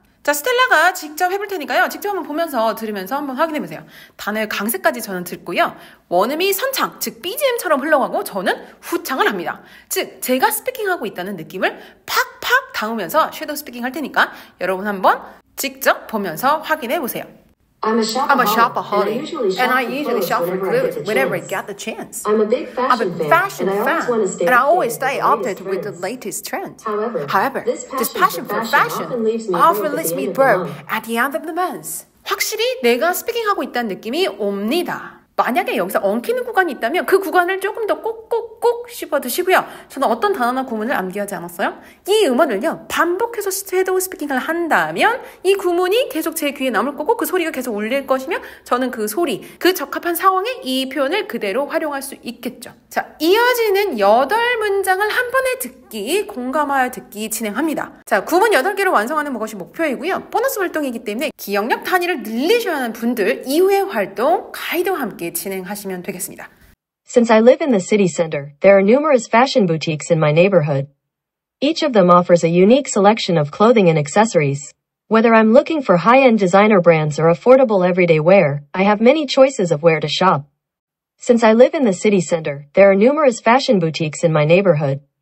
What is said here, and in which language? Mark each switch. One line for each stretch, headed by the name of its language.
Korean: 자, 스텔라가 직접 해볼 테니까요. 직접 한번 보면서 들으면서 한번 확인해보세요. 단어의 강세까지 저는 듣고요. 원음이 선창, 즉 BGM처럼 흘러가고 저는 후창을 합니다. 즉 제가 스피킹하고 있다는 느낌을 팍팍 담으면서 섀도우 스피킹 할 테니까 여러분 한번 직접 보면서 확인해보세요.
English: I'm a shopaholic, and I usually shop for clothes whenever I get the chance. I'm a big fashion fan, and I always stay updated with the latest trend. However, this passion for fashion often leaves me broke at the end of the month.
Korean: 확실히 내가 스피킹하고 있다는 느낌이 옵니다. 만약에 여기서 엉키는 구간이 있다면 그 구간을 조금 더 꼭꼭꼭 씹어드시고요. 저는 어떤 단어나 구문을 암기하지 않았어요? 이 음원을요 반복해서 shadow speaking을 한다면 이 구문이 계속 제 귀에 남을 거고 그 소리가 계속 울릴 것이며 저는 그 소리, 그 적합한 상황에 이 표현을 그대로 활용할 수 있겠죠. 자, 이어지는 8문장을 한 번에 듣기, 공감하여 듣기 진행합니다. 자, 구문 8개를 완성하는 것이 목표이고요. 보너스 활동이기 때문에 기억력 단위를 늘리셔야 하는 분들 이후의 활동 가이드와 함께 진행하시면 되겠습니다.
English: Since I live in the city center, there are numerous fashion boutiques in my neighborhood. Each of them offers a unique selection of clothing and accessories. Whether I'm looking for high-end designer brands or affordable everyday wear, I have many choices of where to shop. Since I live in the city center, there are numerous fashion boutiques in my neighborhood.